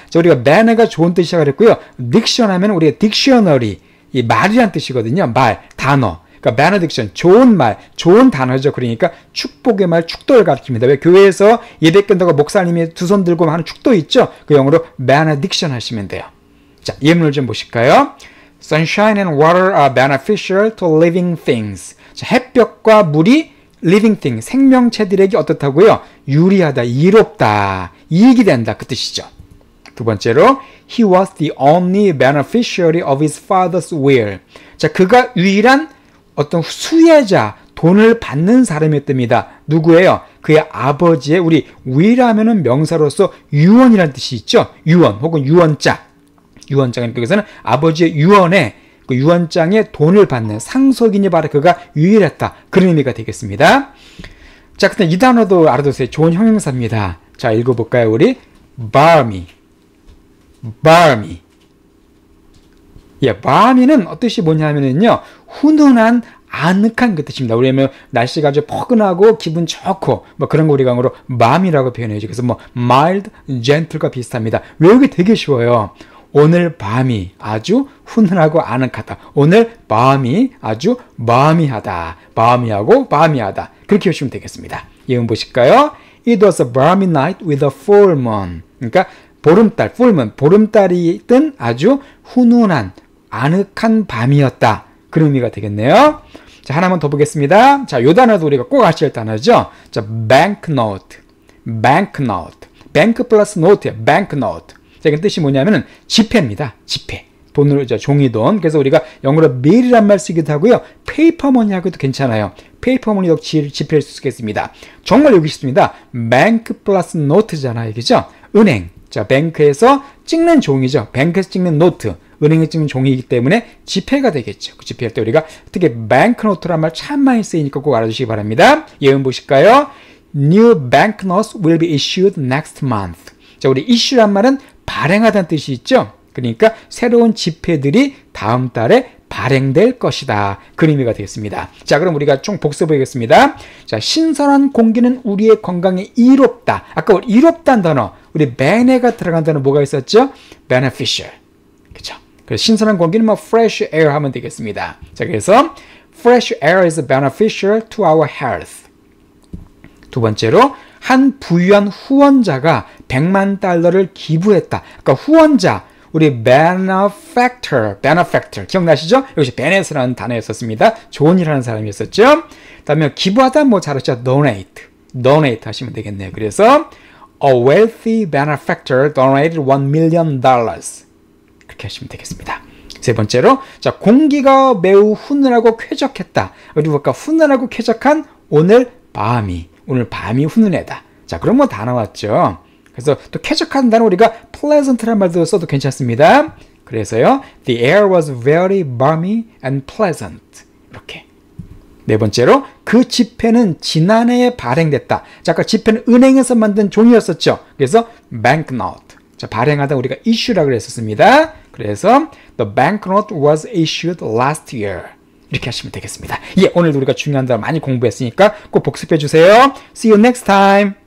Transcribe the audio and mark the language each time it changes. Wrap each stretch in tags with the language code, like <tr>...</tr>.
<ko>자, 우리가 bene가 좋은 뜻이라고 그랬고요. diction 하면 우리의 dictionary, 이 말이란 뜻이거든요. 말, 단어. 그러니까 benediction, 좋은 말, 좋은 단어죠. 그러니까 축복의 말, 축도를 가리킵니다. 왜 교회에서 예배 끝나고 목사님이 두 손 들고 하는 축도 있죠? 그 영어로 benediction 하시면 돼요. 자, 예문을 좀 보실까요?</ko> <en>Sunshine and water are beneficial to living things.</en> <ko>자, 햇볕과 물이 living thing, 생명체들에게 어떻다고요? 유리하다, 이롭다, 이익이 된다, 그 뜻이죠. 두 번째로,</ko> <en>he was the only beneficiary of his father's will.</en> <ko>자, 그가 유일한 어떤 수혜자, 돈을 받는 사람이었답니다. 누구예요? 그의 아버지의, 우리 will 하면은 명사로서 유언이라는 뜻이 있죠? 유언, 혹은 유언자. 유언장은 그것은 아버지의 유언에 그 유언장에 돈을 받는 상속인이 바로 그가 유일했다. 그런 의미가 되겠습니다. 자, 근데 이 단어도 알아두세요. 좋은 형용사입니다. 자, 읽어볼까요? 우리 balmy, balmy. 예, balmy는 어뜻이 뭐냐면은요, 훈훈한, 아늑한 그 뜻입니다. 왜냐면 날씨가 아주 포근하고 기분 좋고 뭐 그런 거 우리 강으로 balmy라고 표현해요. 그래서 뭐 mild, gentle과 비슷합니다. 외우기 되게 쉬워요. 오늘 밤이 아주 훈훈하고 아늑하다. 오늘 밤이 아주 밤이하다. 밤이하고 밤이하다. 그렇게 보시면 되겠습니다. 예문 보실까요?</ko> <en>It was a balmy night with a full moon.</en> <ko>그러니까 보름달, full moon, 보름달이 뜬 아주 훈훈한, 아늑한 밤이었다. 그런 의미가 되겠네요. 자, 하나만 더 보겠습니다. 자, 요 단어도 우리가 꼭 아실 단어죠. 자, banknote, banknote, bank plus note, banknote. 자, 이건 뜻이 뭐냐면은 지폐입니다. 지폐. 돈으로, 이제 종이돈. 그래서 우리가 영어로 mail이란 말 쓰기도 하고요. paper money 하기도 괜찮아요. paper money도 지폐일 수 있겠습니다. 정말 여기 있습니다. bank plus note잖아요. 그죠? 은행. 자, 뱅크에서 찍는 종이죠. 뱅크에서 찍는 노트. 은행에 찍는 종이기 때문에 지폐가 되겠죠. 그 지폐할 때 우리가 특히 bank note란 말 참 많이 쓰이니까 꼭 알아주시기 바랍니다. 예문 보실까요?</ko> <en>New bank notes will be issued next month.</en> <ko>자, 우리 issue란 말은 발행하다는 뜻이 있죠? 그러니까 새로운 지폐들이 다음 달에 발행될 것이다. 그 의미가 되겠습니다. 자, 그럼 우리가 총 복습해보겠습니다. 자, 신선한 공기는 우리의 건강에 이롭다. 아까 우리 이롭다는 단어, 우리 bene가 들어간 단어 뭐가 있었죠? beneficial. 그쵸? 그래서 신선한 공기는 뭐 fresh air 하면 되겠습니다. 자, 그래서</ko> <en>fresh air is beneficial to our health.</en> <ko>두 번째로, 한 부유한 후원자가 100만 달러를 기부했다. 그러니까 후원자, 우리 benefactor, benefactor 기억나시죠? 역시 bene라는 단어였었습니다. 좋은 일하는 사람이었었죠. 다음에 기부하다 뭐 잘하셨죠? donate, donate 하시면 되겠네요. 그래서</ko> <en>A wealthy benefactor donated $1 million.</en> <ko>그렇게 하시면 되겠습니다. 세 번째로, 자, 공기가 매우 훈훈하고 쾌적했다. 그리고 아까 훈훈하고 쾌적한 오늘 밤이 훈훈하다. 자, 그럼 뭐 다 나왔죠. 그래서 또 쾌적한 단어 우리가 pleasant란 말도 써도 괜찮습니다. 그래서요,</ko> <en>the air was very balmy and pleasant.</en> <ko>이렇게. 네 번째로, 그 지폐는 지난해에 발행됐다. 자, 아까 지폐는 은행에서 만든 종이였었죠. 그래서 banknote. 자, 발행하다 우리가 issue라고 그랬었습니다. 그래서</ko> <en>the banknote was issued last year.</en> <ko>이렇게 하시면 되겠습니다. 예, 오늘도 우리가 중요한 단어 많이 공부했으니까 꼭 복습해 주세요.</ko> <en>See you next time.</en>